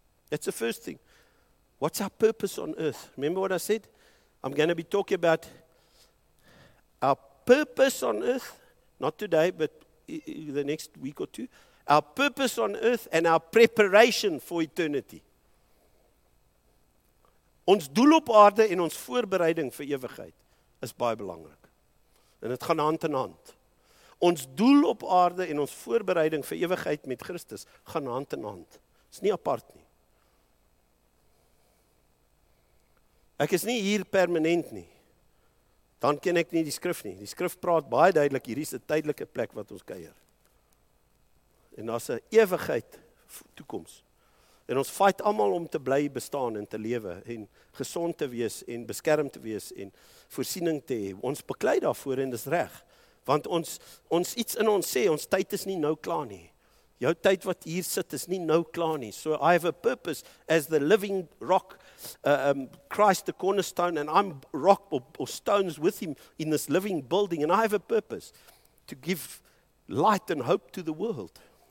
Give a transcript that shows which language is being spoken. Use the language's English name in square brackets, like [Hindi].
[English] That's the first thing. What's our purpose on earth? Remember what I said? I'm going to be talking about our purpose on earth, not today, but the next week or two. Our purpose on earth and our preparation for eternity. [Afrikaans] Ons doel op aarde en ons voorbereiding vir ewigheid is baie belangrik. En het gaan hand in hand. Ons doel op aarde en ons voorbereiding vir ewigheid met Christus gaan hand in hand. Dit is nie apart nie. Ek is nie hier permanent nie. Dan ken ek nie die skrif nie. Die skrif praat baie duidelik, hier is 'n tydelike plek wat ons kuier. En daar's 'n ewigheid toekoms. En ons fight allemaal om te bly bestaan en te lewe en gesond te wees en beskermd te wees en voorsiening te hê. Ons beklei daarvoor en dis reg. Want ons iets in ons sê, ons tyd is nie nou klaar nie. Jou tyd wat hier sit is nie nou klaar nie. [English] So I have a purpose as the living rock, Christ the cornerstone, and I'm rock or stones with him in this living building, and I have a purpose to give light and hope to the world.